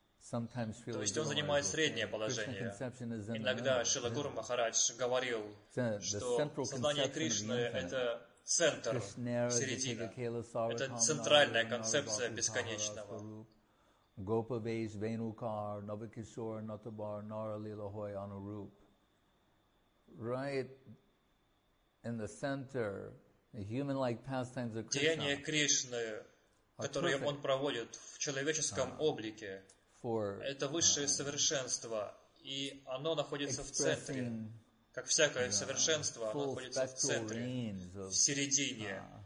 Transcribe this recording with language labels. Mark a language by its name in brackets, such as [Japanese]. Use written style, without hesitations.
[Russian] То есть он занимает среднее положение. Иногда Шрила Гуру Махарадж говорил, что сознание Кришны – это центр, середина. Это центральная концепция бесконечного. [Bangla] Гопавейш, Венукар, Навакишор, Натабар, Наралилахой, Анаруп. [English] Right? In the center, the human-like pastimes of Krishna. [Russian] Деяния Кришны, которые он проводит в человеческом облике, это высшее совершенство, и оно находится в центре, как всякое совершенство, оно находится в центре, в середине.